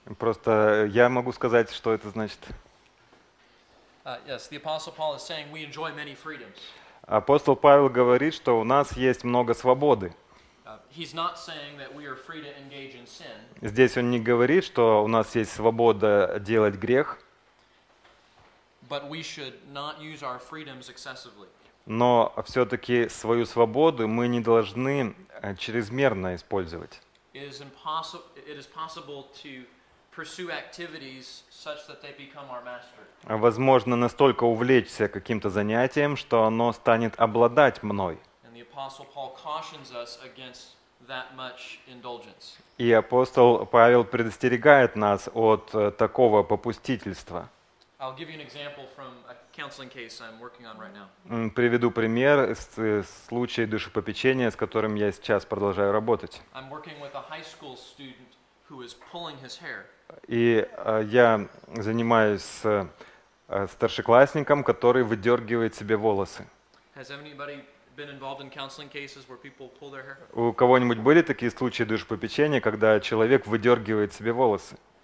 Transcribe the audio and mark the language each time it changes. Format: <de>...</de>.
<ru>Просто я могу сказать, что это значит.</ru> <en>Yes, the apostle Paul is saying we enjoy many freedoms.</en> <ru>Апостол Павел говорит, что у нас есть много свободы.</ru> <en>He's not saying that we are free to engage in sin.</en> <ru>Здесь он не говорит, что у нас есть свобода делать грех.</ru> <en>But we should not use our freedoms excessively.</en> <ru>Но все-таки свою свободу мы не должны чрезмерно использовать.</ru> <en>It is possible to pursue activities such that they become our master.</en> <ru>Возможно настолько увлечься каким-то занятием, что оно станет обладать мной.</ru> <en>And the apostle Paul cautions us against that much indulgence.</en> <ru>И апостол Павел предостерегает нас от такого попустительства.</ru> <en>I'll give you an example from a counseling case I'm working on right now.</en> <ru>Приведу пример из случая душепопечения, с которым я сейчас продолжаю работать.</ru> <en>I'm working with a high school student who is pulling his hair.</en> <ru>И я занимаюсь с старшеклассником, который выдергивает себе волосы.</ru> <en>Has anybody been involved in counseling cases where people pull their hair?</en> <ru>У кого-нибудь были такие случаи душепопечения, когда человек выдергивает себе волосы?</ru>